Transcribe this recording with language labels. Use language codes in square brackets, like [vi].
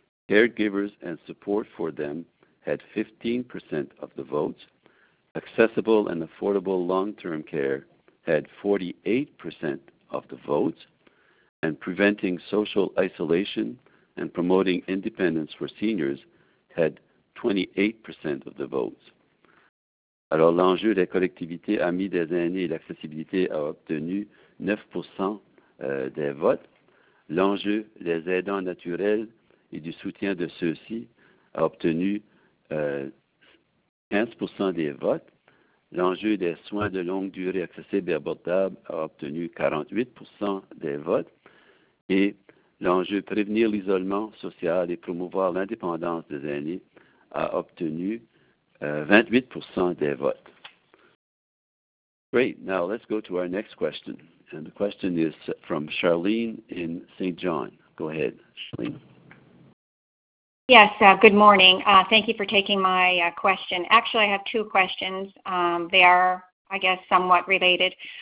[en] Caregivers and support for them had 15% of the votes. Accessible and affordable long-term care had 48% of the votes, and preventing social isolation and promoting independence for seniors had 28% of the votes. [fr] Alors, l'enjeu des collectivités amies des aînés et l'accessibilité a obtenu 9% des votes. L'enjeu des aidants naturels et du soutien de ceux-ci a obtenu 15% des votes. L'enjeu des soins de longue durée accessibles et abordables a obtenu 48% des votes. Et l'enjeu prévenir l'isolement social et promouvoir l'indépendance des aînés a obtenu 28% des votes. [en] Great. Now let's go to our next question. And the question is from Charlene in St. John. Go ahead, Charlene. Yes, good morning. Thank you for taking my question. Actually, I have two questions. They are, I guess, somewhat related.